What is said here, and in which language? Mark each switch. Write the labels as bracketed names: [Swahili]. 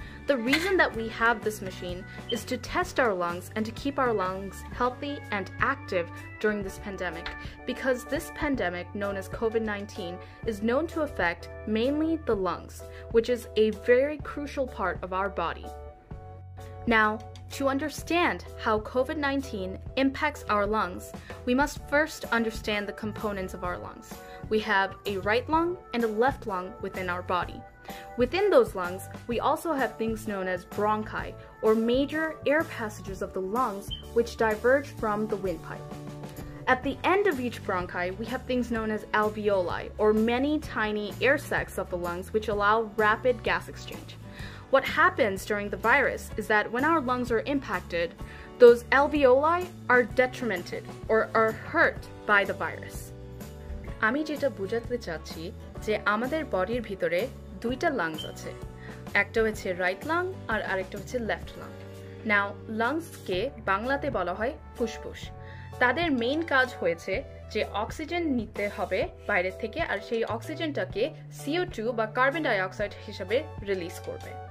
[English] The reason that we have this machine is to test hour lungs and to keep our lungs healthy and active during this pandemic, because this pandemic known as COVID-19 is known to effect mainly the lungs, which is a very crucial part of our body. Now to understand how COVID-19 impacts our lungs, we must first understand the components of our lungs. We have a right lung and a left lung within our body. Within those lungs, we also have things known as bronchi, or major air passages of the lungs, which diverge from the windpipe. At the end of each bronchi, we have things known as alveoli, or many tiny air sacs of the lungs, which allow rapid gas exchange. What happens during the virus is that when our lungs are impacted, those alveoli are detrimented, or are hurt by the virus. [Bangla] আমি যেটা বুঝাতে চাচ্ছি যে আমাদের বডির ভিতরে দুইটা lungs আছে, একটা হচ্ছে রাইট লাং আর আরেকটা হচ্ছে লেফট লাং। নাও লাংসকে বাংলাতে বলা হয় ফুসফুস। তাদের মেইন কাজ হয়েছে যে অক্সিজেন নিতে হবে বাইরের থেকে আর সেই অক্সিজেনটাকে CO2 বা কার্বন ডাইঅক্সাইড হিসাবে রিলিজ করবে।